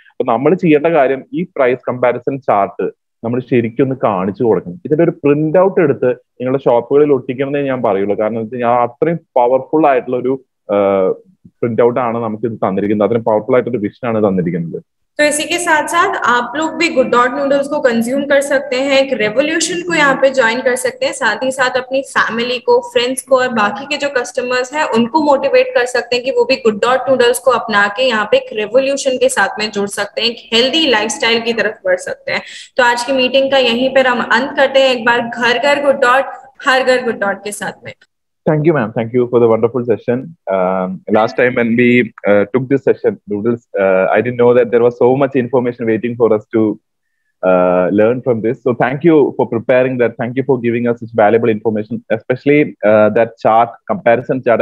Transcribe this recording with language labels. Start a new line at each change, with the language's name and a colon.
Malayalam: അപ്പൊ നമ്മൾ ചെയ്യേണ്ട കാര്യം ഈ പ്രൈസ് കമ്പാരിസൺ ചാർട്ട് നമ്മൾ ശരിക്കും ഒന്ന് കാണിച്ചു കൊടുക്കണം. ഇതിന്റെ ഒരു പ്രിന്റ് ഔട്ട് എടുത്ത് നിങ്ങളുടെ ഷോപ്പുകളിൽ ഒട്ടിക്കണമെന്നേ ഞാൻ പറയുള്ളൂ. കാരണം എന്താ വെച്ചാൽ അത്രയും പവർഫുൾ ആയിട്ടുള്ള ഒരു പ്രിന്റ് ഔട്ട് ആണ് നമുക്ക് ഇത് തന്നിരിക്കുന്നത്. അത്രയും പവർഫുൾ ആയിട്ടുള്ള വിഷൻ ആണ് തന്നിരിക്കുന്നത്.
Hindi: तो इसी के साथ साथ आप लोग भी गुड डॉट नूडल्स को कंज्यूम कर सकते हैं, एक रेवोल्यूशन को यहाँ पे ज्वाइन कर सकते हैं, साथ ही साथ अपनी फैमिली को, फ्रेंड्स को और बाकी के जो कस्टमर्स हैं उनको मोटिवेट कर सकते हैं कि वो भी गुड डॉट नूडल्स को अपना के यहाँ पे एक रेवोल्यूशन के साथ में जुड़ सकते हैं, एक हेल्दी लाइफ स्टाइल की तरफ बढ़ सकते हैं. तो आज की मीटिंग का यहीं पर हम अंत करते हैं, एक बार घर घर गुड डॉट, हर घर गुड डॉट के साथ में.
English: Thank you, ma'am. Thank you for the wonderful session. Last time when we took this session, Noodles, I didn't know that there was so much information waiting for us to learn from this. So thank you for preparing that. Thank you for giving us such valuable information, especially that chart, comparison chart.